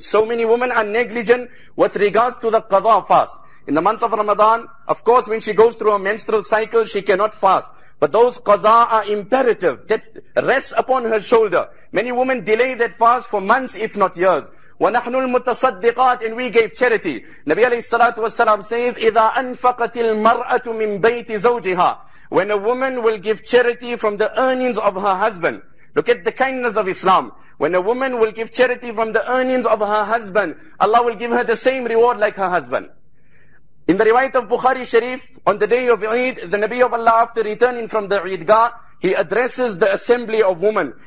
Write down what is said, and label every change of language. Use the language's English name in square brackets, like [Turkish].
[English] So many women are negligent with regards to the qada fast. In the month of Ramadan, of course, when she goes through a menstrual cycle, she cannot fast. But those qaza are imperative. That rests upon her shoulder. Many women delay that fast for months, if not years. [Arabic] وَنَحْنُ الْمُتَصَدِّقَاتِ. [English] And we gave charity. Nabi alayhi salatu wasalam says, [Arabic] إِذَا أَنفَقَتِ الْمَرْأَةُ مِنْ بَيْتِ زَوْجِهَا. [English] When a woman will give charity from the earnings of her husband. Look at the kindness of Islam. When a woman will give charity from the earnings of her husband, Allah will give her the same reward like her husband. In the riwayat of Bukhari Sharif, on the day of Eid, the Nabi of Allah, after returning from the Eidgah, he addresses the assembly of women.